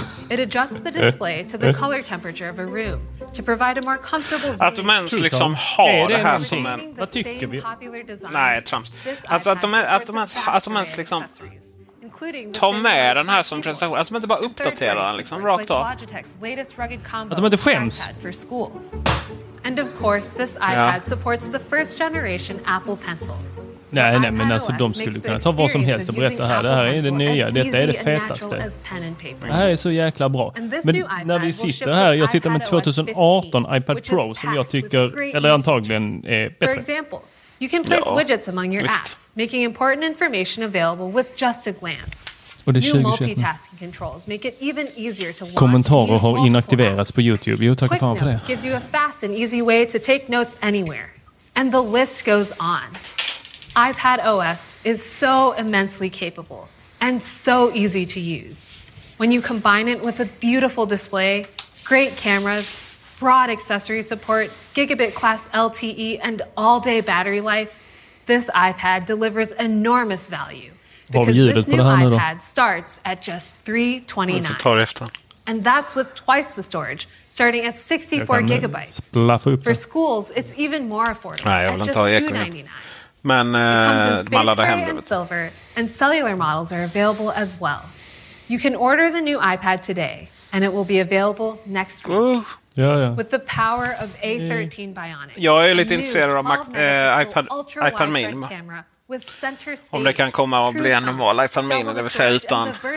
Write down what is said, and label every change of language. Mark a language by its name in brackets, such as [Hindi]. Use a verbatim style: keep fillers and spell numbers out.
[English] It adjusts the display to the color temperature of a room to provide a more comfortable [Swedish] att de ens liksom har är det här som en... Vad tycker vi? Nej, trams. Alltså att de, att de, ens, att de ens liksom ta med den här som presentation. Att de inte bara uppdaterar den liksom rakt av. Att de inte skäms. [English] And of course this iPad supports the first generation Apple Pencil. [Swedish] Nej, nej, men alltså de skulle kunna ta vad som helst och berätta här. Det här är det nya, detta är det fetaste. Det här är så jäkla bra. Men när vi sitter här, jag sitter med tjugo arton iPad Pro som jag tycker, eller antagligen är bättre. [English] You can place ja, widgets among your apps, making important information available with just a glance. [Swedish] Och det är tjugo tjugoett. Kommentarer har inaktiverats på YouTube. Jo, tack fan för det. [English] Gives you a fast and easy way to take notes anywhere. And the list goes on. iPad O S is so immensely capable and so easy to use. When you combine it with a beautiful display, great cameras, broad accessory support, gigabit class L T E, and all-day battery life, this iPad delivers enormous value because this new iPad starts at just three hundred twenty-nine dollars. And that's with twice the storage, starting at sixty-four gigabytes. For schools, it's even more affordable at just two hundred ninety-nine dollars. [Swedish] Men eh, man laddar hem det. [English] Silver and cellular models are available as well. You can order the new iPad today and it will be available next week. [Swedish] Oh. Ja, ja. [English] With the power of A thirteen Bionic. [Swedish] Jag är lite intresserad av Mac, eh, iPad iPad Mini. Om det kan komma att bli en normal iPad Mini, det vill säga utan